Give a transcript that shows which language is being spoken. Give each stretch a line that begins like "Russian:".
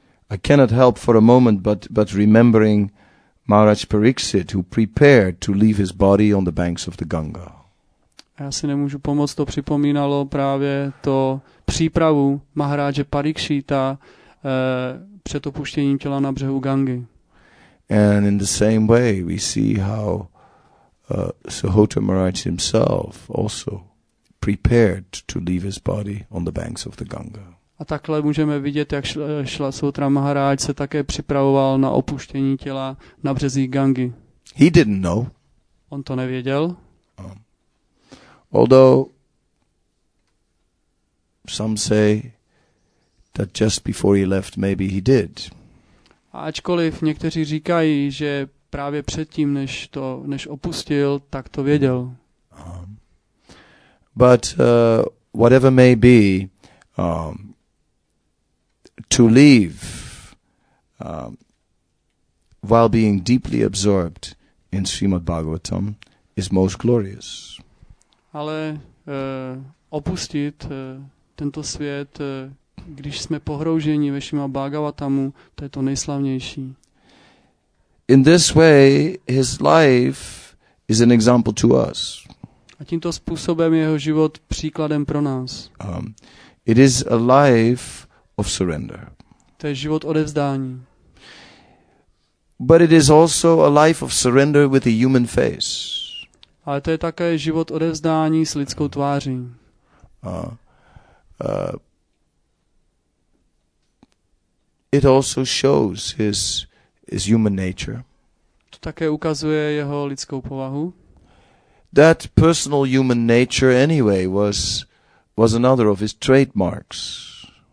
English: I cannot help for a moment but remembering Maharaj Pariksit, who prepared to leave his body on the banks of the Ganga.
Czech: Já si nemůžu pomoct, to připomínalo právě to přípravu Maharaje Parikshita před opuštěním těla na břehu Gangy.
English: And in the same way we see how Suhota Maharaj himself also prepared to leave his body on the banks of the Ganga.
Czech: A takhle můžeme vidět, jak šla Suhota Maharaj se také připravoval na opuštění těla na březích Gangy.
English: He didn't know.
Czech: On to nevěděl.
English: Although some say that just before he left, maybe he did.
Czech: Ačkoliv někteří říkají, že právě předtím, než opustil, tak to věděl.
English: But whatever may be, to leave while being deeply absorbed in Srimad Bhagavatam is most glorious.
Czech: Ale opustit tento svět, když jsme pohrouženi ve Srimad Bhagavatamu, to je to nejslavnější.
English: In this way his life is an example to us.
Czech: A tímto způsobem jeho život příkladem pro nás.
English: It is a life of surrender.
Czech: To je život odevzdání.
English: But it is also a life of surrender with a human face.
Czech: Ale to je také život odevzdání s lidskou tváří.
English: It also shows his human nature.
Czech: To také ukazuje jeho lidskou povahu.
English: That personal human nature anyway was another of his trademarks.